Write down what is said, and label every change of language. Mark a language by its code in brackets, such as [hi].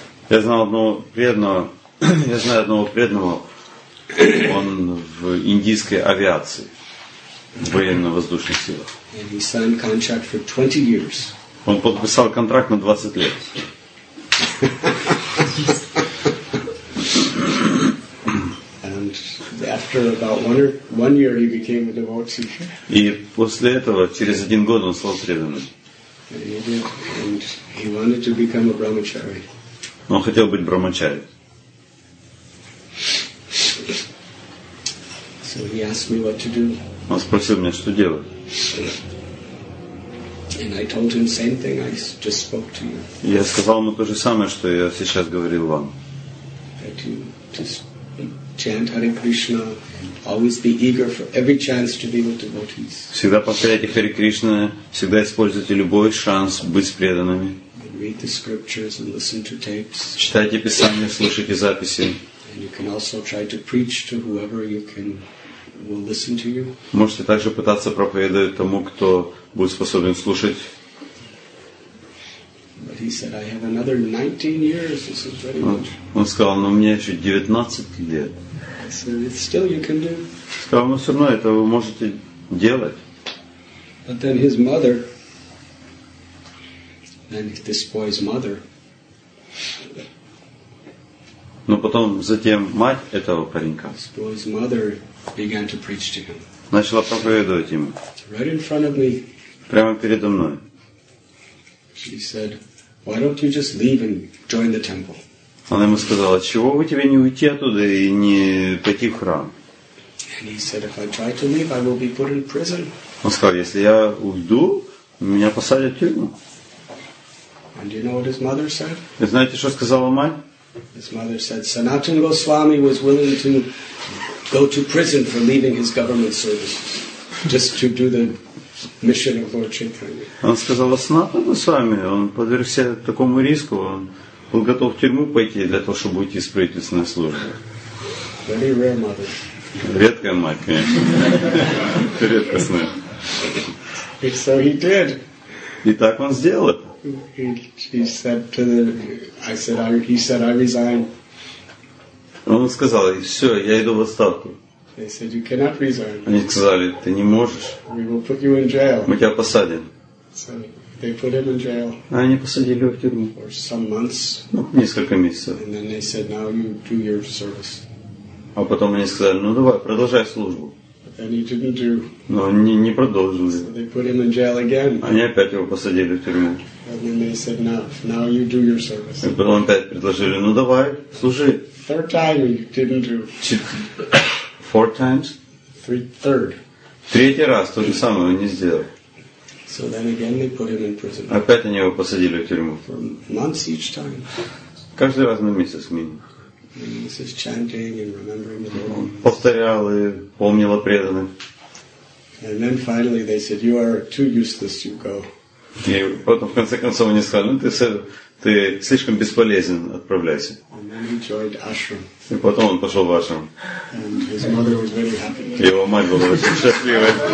[ru] Я знаю одного преданного. Он в индийской авиации, в военно-воздушных силах. [en] And he signed contract for 20 years. [ru] Он подписал контракт на 20 лет. [en] And after about one year he became a devotee. [ru] И после этого через один год он стал преданным. [en] And he wanted to become a brahmachari. [ru] Он хотел быть брахмачари. [en] So he asked me what to do. [ru] Он спросил меня, что делать. [en] And I told him same thing I just spoke to you. [ru] Я сказал ему то же самое, что я сейчас говорил вам. [en] That you just chant Hare Krishna, always be eager for every chance to be with devotees. [ru] Всегда повторяйте Хари Кришна, всегда используйте любой шанс быть с преданными. [en] Read the scriptures and listen to tapes. [ru] Читайте писания, слушайте записи. [en] And you can also try to preach to whoever you can will listen to you. [ru] Можете также пытаться проповедовать тому, кто будет способен слушать. [en] But he said, I have another 19 years. This is very much. [ru] Он сказал, но у меня еще 19 лет. [en] So it's still you can do. [ru] Сказал, но все равно это вы можете делать. [en] But then his mother. And this boy's mother. [ru] Но потом, затем мать этого паренька. [en] This boy's mother began to preach to him. [ru] Начала проповедовать ему. [en] Right in front of me. [ru] Прямо передо мной. [en] She said, "Why don't you just leave and join the temple?" [ru] Она ему сказала, чего бы тебе не уйти оттуда и не пойти в храм. [en] And he said, "If I try to leave, I will be put in prison." [ru] Он сказал, если я уйду, меня посадят в тюрьму. [en] And do you know what his mother said? [ru] Вы знаете, что сказала мать? [en] His mother said, "Sanatan Goswami was willing to go to prison for leaving his government service just to do the mission of Lord Chaitanya." [ru] Она сказала, Санатан Госвами, он подвергся такому риску, он был готов в тюрьму пойти для того, чтобы уйти из правительственной службы. [en] Very rare mother. [ru] Редкая мать, конечно. Редкостная. [en] And so he did. [ru] И так он сделал это. [en] He said, I resign. [ru] Он сказал, все, я иду в отставку. [en] They said, you cannot resign. [ru] Они сказали, ты не можешь. [en] We will put you in jail. [ru] Мы тебя посадим. [en] So they put him in jail. [ru] Они посадили его в тюрьму. [en] For some months. [ru] Ну, несколько месяцев. [en] And then they said, now you do your service. [ru] А потом они сказали, ну давай, продолжай службу. [en] But then he didn't do. [ru] Но они не продолжили. [en] So they put him in jail again. [ru] Они опять его посадили в тюрьму. [en] And then they said, now you do your service. [ru] И потом опять предложили, ну давай, служи. [en] Third time he didn't do. Four times? Third. [ru] Третий раз то же самое он не сделал. [en] So then again they put him in prison. [ru] Опять они его посадили в тюрьму. [en] For months each time. [ru] Каждый раз на месяц минимум. [en] And this is chanting and remembering the Lord. [ru] Он повторял и помнил о преданном. [en] And then finally they said, you are too useless, you go. [ru] И потом, в конце концов, они сказали, ну, ты слишком бесполезен, отправляйся. [en] And then he joined ashram. [ru] И потом он пошел в ашрам. [en] And his mother was very happy. [ru] Его мать была очень счастлива.